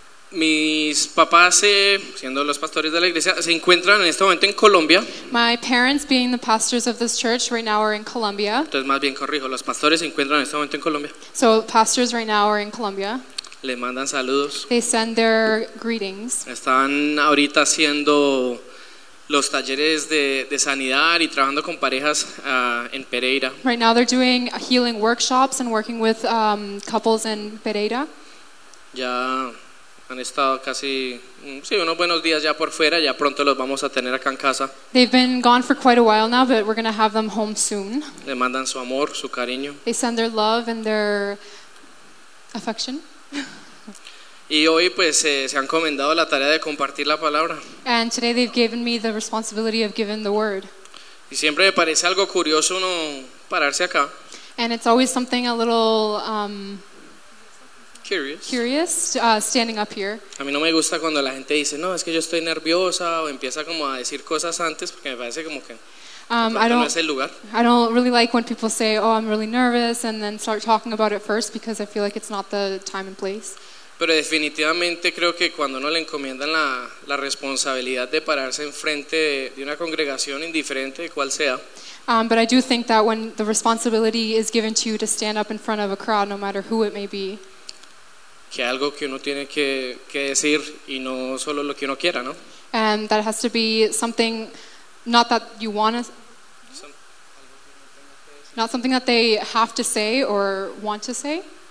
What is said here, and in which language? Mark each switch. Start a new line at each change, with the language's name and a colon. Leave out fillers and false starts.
Spanish: Mis papás, siendo los pastores de la iglesia, se encuentran en este momento en Colombia.
English: My parents, being the pastors of this church, right now are in Colombia.
Spanish: Entonces, más bien corrijo, los pastores se encuentran en este momento en Colombia.
English: So, pastors right now are in Colombia.
Spanish: Le mandan saludos.
English: They send their greetings.
Spanish: Están ahorita haciendo los talleres de sanidad y trabajando con parejas en Pereira.
English: Right now they're doing healing workshops and working with couples in Pereira.
Spanish: Ya han estado casi, sí, unos buenos días ya por fuera, ya pronto los vamos a tener acá en casa.
English: They've been gone for quite a while now, but we're going to have them home soon.
Spanish: Le mandan su amor, su cariño.
English: They send their love and their affection.
Spanish: Y hoy pues se han encomendado la tarea de compartir la palabra.
English: And today they've given me the responsibility of giving the word.
Spanish: Y siempre me parece algo curioso uno pararse acá.
English: And it's always something a little curious standing up here.
Spanish: A mí no me gusta cuando la gente dice, "No, es que yo estoy nerviosa" o empieza como a decir cosas antes porque me parece como que no es el lugar.
English: I don't really like when people say, "Oh, I'm really nervous" and then start talking about it first because I feel like it's not the time and place.
Spanish: Pero definitivamente creo que cuando uno le encomiendan la responsabilidad de pararse enfrente de una congregación, indiferente de cuál sea.
English: But I do think that when the responsibility is given to you to stand up in front of a crowd, no matter who it may be.
Spanish: Que algo que uno tiene que decir y no solo lo que uno quiera, ¿no?
English: And that has to be something, not that you want to, not something that they have to say or want to say.